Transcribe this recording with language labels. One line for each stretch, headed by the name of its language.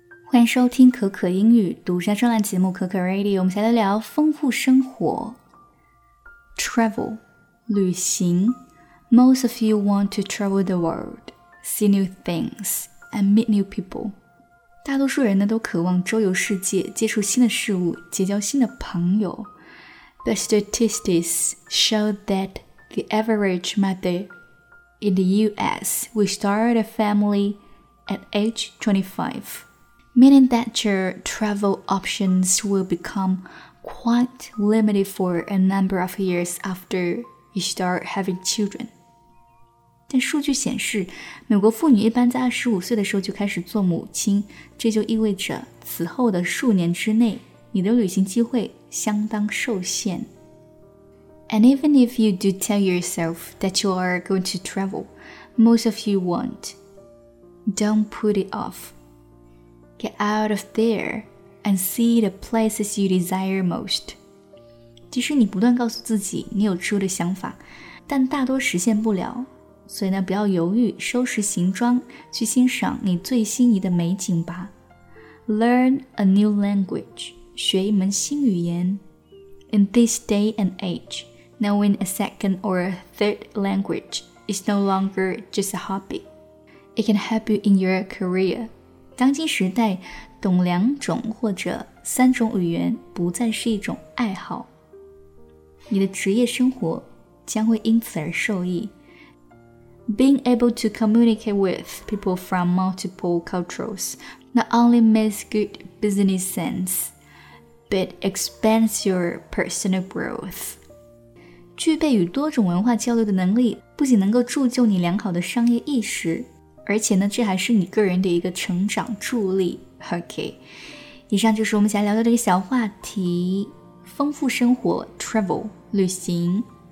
Chinese: 欢迎收听可可英语独家专栏节目可可 Radio， 我们先来聊丰富生活。
English: Travel， 旅行。 Most of you want to travel the world, see new things, and meet new people.
Chinese: 大多数人呢都渴望周游世界，接触新的事物，结交新的朋友。
English: But statistics show that the average mother in the U.S. will start a family at age 25. Meaning that your travel options will become quite limited for a number of years after you start having children.
Chinese: 但数据显示，美国妇女一般在25岁的时候就开始做母亲，这就意味着此后的数年之内，你的旅行机会相当受限。
English: And even if you do tell yourself that you are going to travel, most of you won't. Don't put it off. Get out of there and see the places you desire most.
Chinese: 即使你不断告诉自己你有出的想法，但大多实现不了。所以呢，不要犹豫，收拾行装，去欣赏你最心仪的美景吧。
English: Learn a new language.
Chinese: 学一门新语言。
English: In this day and age, knowing a second or a third language is no longer just a hobby. It can help you in your career.
Chinese: 当今时代，懂两种或者三种语言不再是一种爱好，你的职业生活将会因此而受益。
English: Being able to communicate with people from multiple cultures not only makes good business sense, but expands your personal growth.
Chinese: 具备与多种文化交流的能力，不仅能够铸就你良好的商业意识。而且呢，这还是你个人的一个成长助力。 OK， 以上就是我们想聊的这个小话题：丰富生活 （travel 旅行